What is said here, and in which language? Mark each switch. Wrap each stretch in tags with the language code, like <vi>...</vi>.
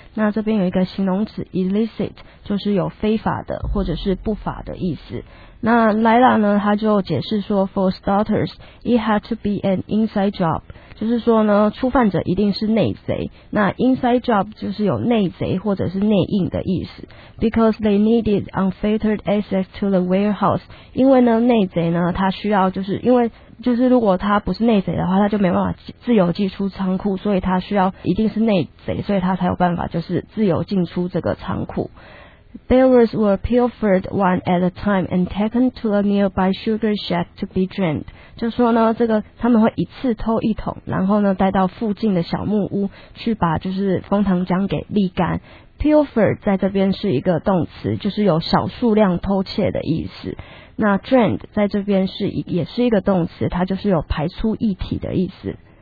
<zh>那这边有一个形容词 illicit， 就是有非法的或者是不法的意思。那 Lila 呢，他就解释说，</zh> <en>For starters, it had to be an inside job.</en> <zh>就是说呢，初犯者一定是内贼，那 inside job 就是有内贼或者是内应的意思。</zh> <en>Because they needed unfettered access to the warehouse，</en> <zh>因为呢内贼呢他需要就是因为就是如果他不是内贼的话，他就没办法自由进出仓库，所以他需要一定是内贼，所以他才有办法就是自由进出这个仓库。</zh> <en>Barrels were pilfered one at a time and taken to a nearby sugar shack to be drained.</en> <zh>就说呢，这个他们会一次偷一桶，然后呢带到附近的小木屋去把就是蜂糖浆给沥干。 Pilfer 在这边是一个动词，就是有少数量偷窃的意思。那 drained 在这边是也是一个动词，它就是有排出液体的意思。</zh>